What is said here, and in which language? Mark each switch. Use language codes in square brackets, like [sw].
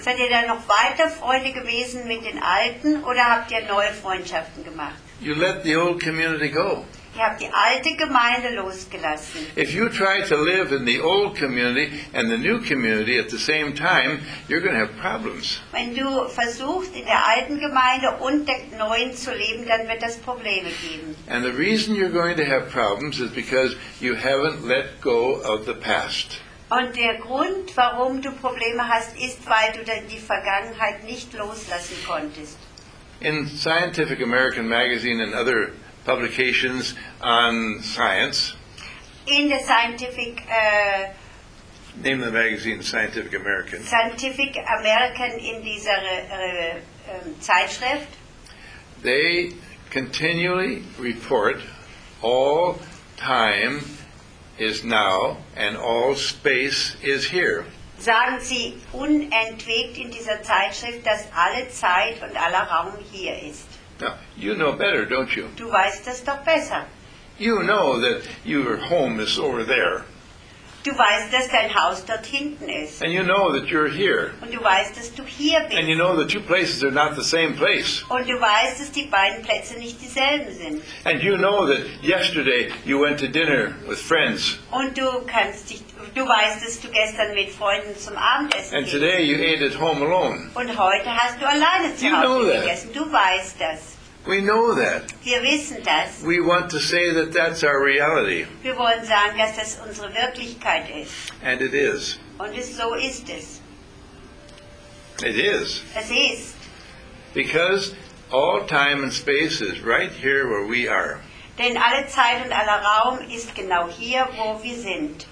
[de] Seid ihr dann noch weiter Freunde gewesen mit den Alten, oder habt ihr neue Freundschaften gemacht? [en] You let the old community go. [de] Ihr habt die alte Gemeinde losgelassen. [en] If you try to live in the old community and the new community at the same time, you're going to have problems. [de] Wenn du versuchst, in der alten Gemeinde und der neuen zu leben, dann wird das Probleme geben. [en] And the reason you're going to have problems is because you haven't let go of the past. [de] Und der Grund, warum du Probleme hast, ist, weil du die Vergangenheit nicht loslassen konntest. [en] In Scientific American magazine and other publications on science. In the Scientific. Name the magazine Scientific American. [de] Scientific American in dieser Zeitschrift. [en] They continually report all time is now and all space is here. [de] Sagen Sie unentwegt in dieser Zeitschrift, dass alle Zeit und aller Raum hier ist. [en] Now, you know better, don't you? [de] Du weißt das doch besser. [en] You know that your home is over there. [de] Du weißt, dass dein Haus dort hinten ist. [en] And you know that you're here. [de] Und du weißt, dass du hier bist. [en] And you know the two places are not the same place. [de] Und du weißt, dass die beiden Plätze nicht dieselben sind. [en] And you know that yesterday you went to dinner with friends. [de] Und du kannst dich, du weißt, dass du gestern mit Freunden zum Abendessen [en] And today you ate at home alone. [de] Und heute hast du alleine zu Hause gegessen. Du weißt das. [en] We know that. [de] Wir wissen das. [en] We want to say that that's our reality. [de] Wir wollen sagen, dass das unsere Wirklichkeit ist. [en] And it is. [de] Und es, so ist es. [en] It is. [de] Es ist. [en] Because all time and space is right here where we are. [de] Denn alle Zeit und aller Raum ist genau hier, wo wir sind.